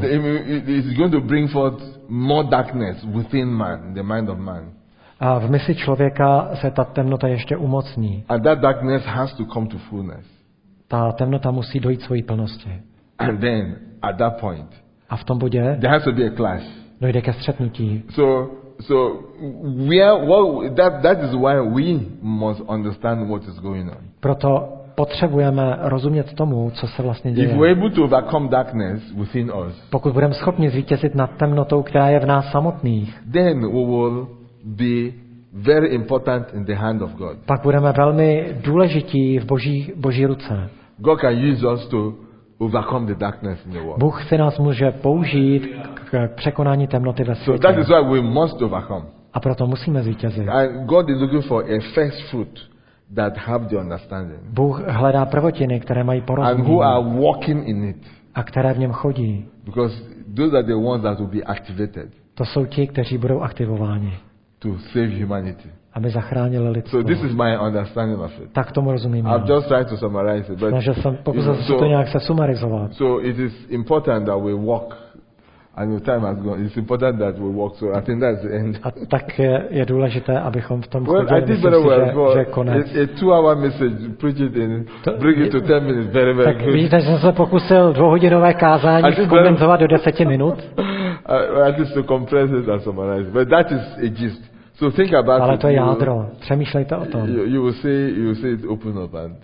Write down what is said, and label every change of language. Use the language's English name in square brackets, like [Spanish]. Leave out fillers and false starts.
[English] It is going to bring forth more darkness within man, the mind of man. [Czech] A v mysli člověka se ta temnota ještě umocní. [English] And that darkness has to come to fullness. [Czech] Ta temnota musí dojít svojí plnosti. [English] And then, at that point, [Czech] a v tom bodě [English] there has to be a clash. [Czech] Dojde ke střetnutí. [English] So we are, well, that is why we must understand what is going on. [Czech] Proto potřebujeme rozumět tomu, co se vlastně děje. [English] If we're able to overcome darkness within us, [Czech] pokud budeme schopni zvítězit nad temnotou, která je v nás samotných, [English] then we will be very important in the hand of God. [Czech] Pak budeme velmi důležití v boží ruce. [English] God can use us to overcome the darkness in the world. [Czech] Bůh se nás může použít k překonání temnoty ve světě. [English] So that is why we must overcome. [Czech] A proto musíme zvítězit. [English] And God is looking for a first fruit that have the understanding. [Czech] Bůh hledá prvotiny, které mají porozumění. [English] And who are walking in it. [Czech] A které v něm chodí. [English] Because those are the ones that will be activated. [Czech] To jsou ti, kteří budou aktivováni. [English] To save humanity. [Czech] Aby zachránili lidstvo. [English] So this is my understanding of it. [Czech] Tak tomu rozumím. [English] I've just tried to summarize it, but [Czech] snažil jsem to nějak se sumarizovat. [English] So it is important that we walk, and your time has gone. It's important that we walk. So I think that's the end. [Czech] A tak je důležité, abychom v tom chodili. [English] Well, I did very well. [Czech] Že konec. [English] A 2-hour message, preach it in, bring it to 10 minutes, very, very good. [Czech] Tak vidíte, že jsem se pokusil dvouhodinové kázání zkondenzovat do 10 minut. [English] At least to compress it and summarize. But that is a gist. So think about [Czech] ale to [English] it, [Czech] je jádro. Přemýšlejte o tom. [English] You will see it open up and